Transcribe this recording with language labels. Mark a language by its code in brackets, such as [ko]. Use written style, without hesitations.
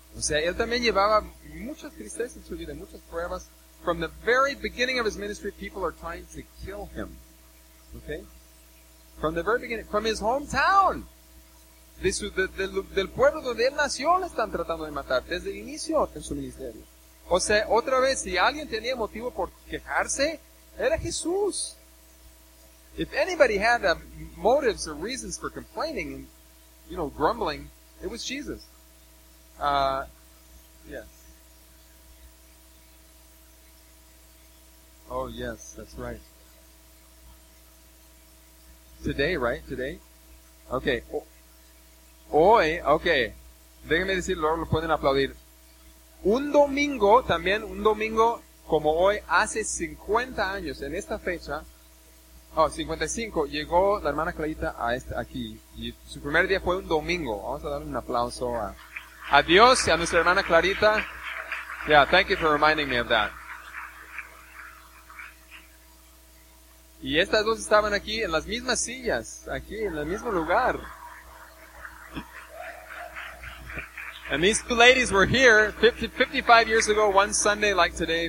[es] Él también llevaba muchas tristezas en su vida, muchas pruebas. [en] From the very beginning of his ministry, people are trying to kill him. Okay? From the very beginning, from his hometown. [es] Del pueblo donde él nació, le están tratando de matar. Desde el inicio en su ministerio. O sea, otra vez, si alguien tenía motivo por quejarse, era Jesús. [en] If anybody had motives or reasons for complaining, and, you know, grumbling, it was Jesus. Yes. Oh, yes, that's right. Today, right? Today? Okay. Hoy, okay. [es] Déjenme decirlo, lo pueden aplaudir. Un domingo como hoy, hace 50 años, en esta fecha, 55, llegó la hermana Clarita aquí, y su primer día fue un domingo. Vamos a darle un aplauso a Dios y a nuestra hermana Clarita. [en] Yeah, thank you for reminding me of that. [es] Y estas dos estaban aquí en las mismas sillas, aquí en el mismo lugar. [en] And these two ladies were here 55 years ago, one Sunday like today.